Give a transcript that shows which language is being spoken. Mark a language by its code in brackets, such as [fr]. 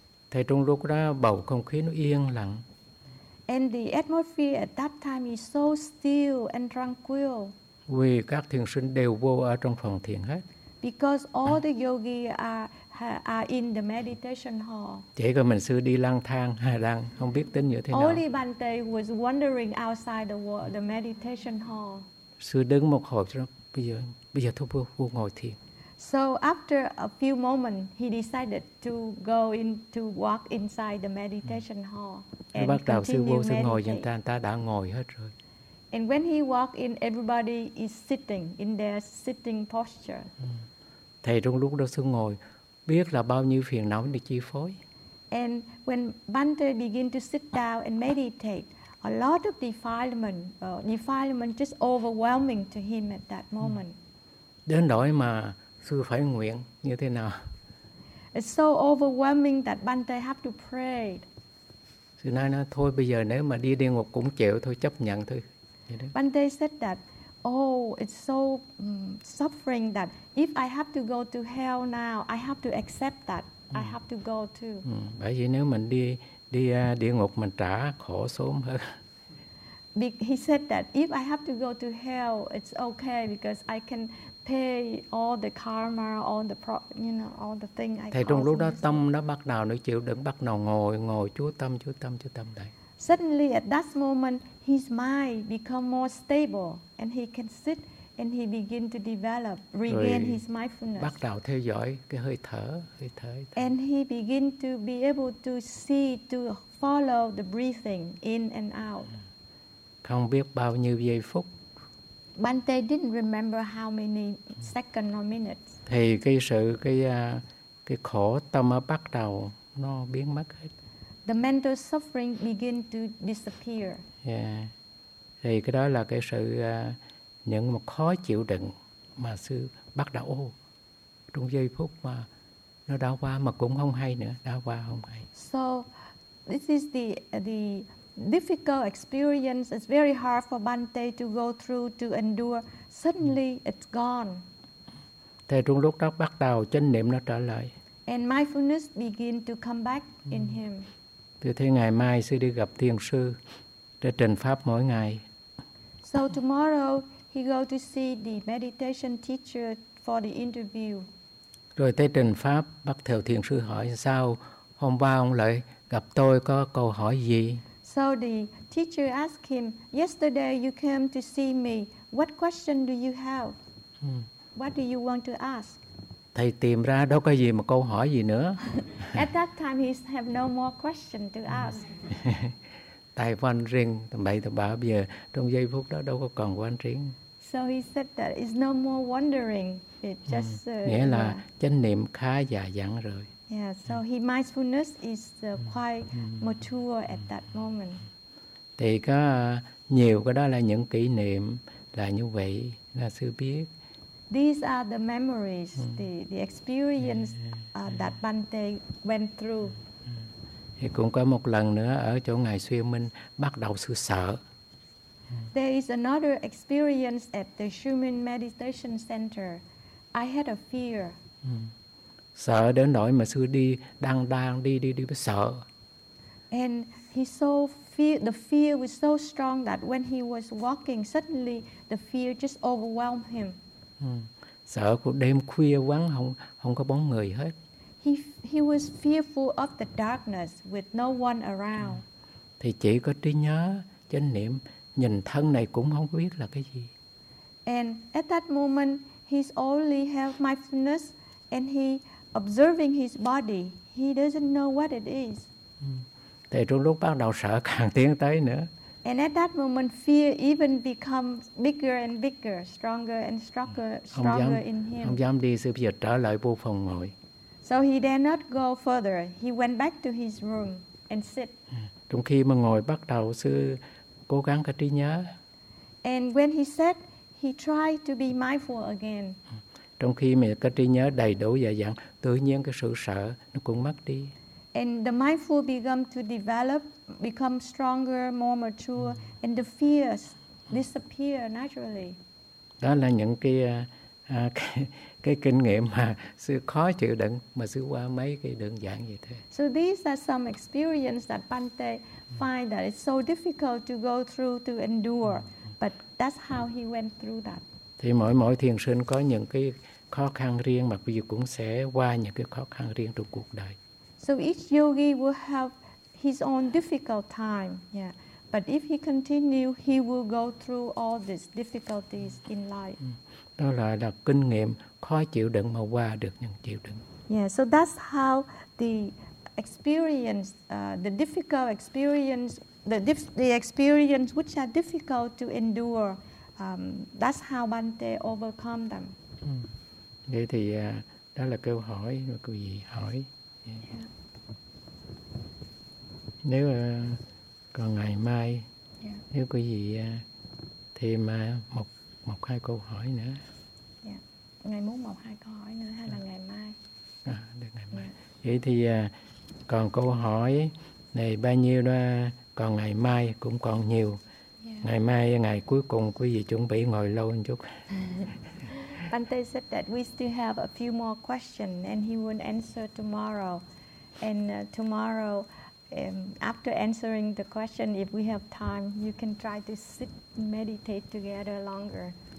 [vi] Thì trong lúc đó bầu không khí nó yên lặng. [en] And the atmosphere at that time is so still and tranquil. [vi] Vì các thiền sinh đều vô ở trong phòng thiền hết. [en] Because all the yogi are in the meditation hall. [vi] Chỉ có mình sư đi lang thang hay đang không biết tính như thế nào. [en] Only Bhante was wandering outside the meditation hall. [vi] Sư đứng một hồi cho bây giờ thôi vô ngồi thiền. [en] So after a few moments, he decided to go in to walk inside the meditation hall and [vi] bắt đầu sư vô sư ngồi dành ta, ta đã ngồi hết rồi. [en] And when he walked in, everybody is sitting in their sitting posture. [vi] Thầy trong lúc đó sư ngồi biết là bao nhiêu phiền não bị chi phối. [en] And when Bhante begin to sit down and meditate, a lot of defilement just overwhelming to him at that moment. [vi] Đến nỗi mà sư phải nguyện như thế nào? [en] It's so overwhelming that Bhante have to pray. [vi] Sư nói nó thôi bây giờ nếu mà đi địa ngục cũng chịu thôi, chấp nhận thôi. [en] Bhante said that, oh, it's so suffering that if I have to go to hell now, I have to accept that. I have to go too. [vi] Bởi vì nếu mình đi địa ngục mình trả khổ sớm hơn. [en] He said that if I have to go to hell, it's okay because I can pay all the karma, all the thing I. [vi] Thì trong lúc đó tâm nó bắt đầu nó chịu đựng, bắt đầu ngồi chú tâm đây. [en] Suddenly at that moment his mind become more stable and he can sit and he begin to develop regain his mindfulness. [vi] Bắt đầu theo dõi cái hơi thở. [en] And he begin to be able to see to follow the breathing in and out. [vi] Không biết bao nhiêu giây phút. [en] Bhante didn't remember how many seconds or minutes. [vi] Thì cái khổ tâm bắt đầu nó biến mất hết. [en] The mental suffering begin to disappear. Yeah. [vi] Thì cái đó là cái sự những một khó chịu đựng mà sư bắt đầu trong giây phút mà nó đã qua mà cũng không hay nữa, đã qua không hay. [en] So this is the difficult experience. It's very hard for Bhante to go through, to endure. Suddenly it's gone. [vi] Thì trong lúc đó bắt đầu chánh niệm nó trở lại. [en] And mindfulness begin to come back in him. [vi] Từ thế ngày mai sư đi gặp thiền sư để trình pháp mỗi ngày. [en] So tomorrow he go to see the meditation teacher for the interview. [vi] Rồi tới trình pháp bắt theo thiền sư hỏi sao hôm qua ông lại gặp tôi có câu hỏi gì? [en] So the teacher ask him, yesterday you came to see me, what question do you have? What do you want to ask? [vi] Thầy tìm ra đâu có gì mà câu hỏi gì nữa. [en] At that time he have no more question to ask. [vi] tại quan riêng, bảy tập bảo bây giờ trong giây phút đó đâu có còn quan riêng. [en] So he said that it's no more wandering. It just [vi] nghĩa là chánh niệm khá già dặn rồi. [en] Yeah, so he mindfulness is quite mature at that moment. [vi] Thì có nhiều cái đó là những kỷ niệm là như vậy là sư biết. [en] These are the memories, the experience that Bhante went through. [vi] Thì cũng có một lần nữa ở chỗ ngài Xuyên Minh bắt đầu sư sợ. [en] There is another experience at the Shumin Meditation Center. I had a fear. [vi] Sợ đến nỗi mà sư đi đang đang đi đi đi mới sợ. [en] And he so fear, the fear was so strong that when he was walking, suddenly the fear just overwhelmed him. [vi] Sợ của đêm khuya vắng không có bóng người hết. [en] He was fearful of the darkness with no one around. [vi] Thì chỉ có trí nhớ, chánh niệm, nhìn thân này cũng không biết là cái gì. [en] And at that moment, he's only have mindfulness and he observing his body. He doesn't know what it is. [vi] Thì trong lúc bắt đầu sợ càng tiến tới nữa. [en] And at that moment, fear even becomes bigger and bigger, stronger and stronger in him. [vi] Không dám đi, sư phụ trở lại vô phòng ngồi. [en] So he dare not go further. He went back to his room and sit. [vi] Trong khi mà ngồi bắt đầu sư cố gắng cái trí nhớ. [en] And when he sat, he tried to be mindful again. [vi] Trong khi mà cái trí nhớ đầy đủ dạ dặn, tự nhiên cái sự sợ nó cũng mất đi. [en] And the mindful begun to develop, become stronger, more mature, and the fears disappear naturally. [vi] Đó là những cái kinh nghiệm mà sư khó chịu đựng mà sư qua mấy cái đơn giản vậy thôi. [en] So these are some experience that Bhante find that it's so difficult to go through to endure, but that's how he went through that. [vi] Thì mỗi mỗi thiền sinh có những cái khó khăn riêng mà quý vị cũng sẽ qua những cái khó khăn riêng trong cuộc đời. [en] So each yogi will have his own difficult time, yeah. But if he continue, he will go through all these difficulties in life. [vi] Đó là kinh nghiệm khó chịu đựng mà qua được những chịu đựng. [en] Yeah, so that's how the experience, the difficult experience, the experience which are difficult to endure, that's how Bhante overcome them. [vi] Vậy thì đó là câu hỏi mà quý vị hỏi. Yeah. Nếu còn ngày mai nếu có gì thêm một hai câu hỏi nữa. Ngày muốn một hai câu hỏi nữa hay là ngày mai? Được ngày mai. Vậy thì còn câu hỏi này bao nhiêu đó, còn ngày mai cũng còn nhiều. Ngày mai ngày cuối cùng quý vị chuẩn bị ngồi lâu một chút. [en] Bhante said that we still have a few more questions and he will answer tomorrow. And tomorrow, after answering the question, if we have time, you can try to sit meditate together longer.